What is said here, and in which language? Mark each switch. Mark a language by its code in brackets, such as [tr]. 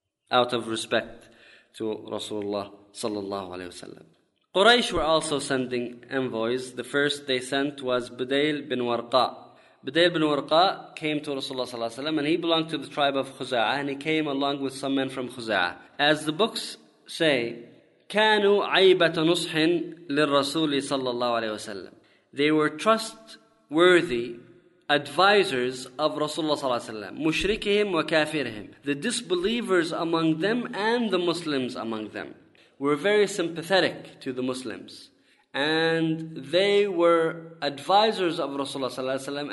[en] Out of respect to Rasulullah sallallahu alayhi wa sallam. Quraysh were also sending envoys. The first they sent was Budayl bin Warqa. Budayl bin Warqa came to Rasulullah sallallahu alayhi wa sallam, and he belonged to the tribe of Khuza'a, and he came along with some men from Khuza'a. As the books say, [ar] كانوا عيبة نصح للرسول صلى الله عليه وسلم. [en] They were trustworthy advisors of Rasulullah [ar] صلى الله عليه وسلم. مشركهم وكافرهم. [en] The disbelievers among them and the Muslims among them were very sympathetic to the Muslims. And they were advisors of Rasulullah [ar] صلى الله عليه وسلم.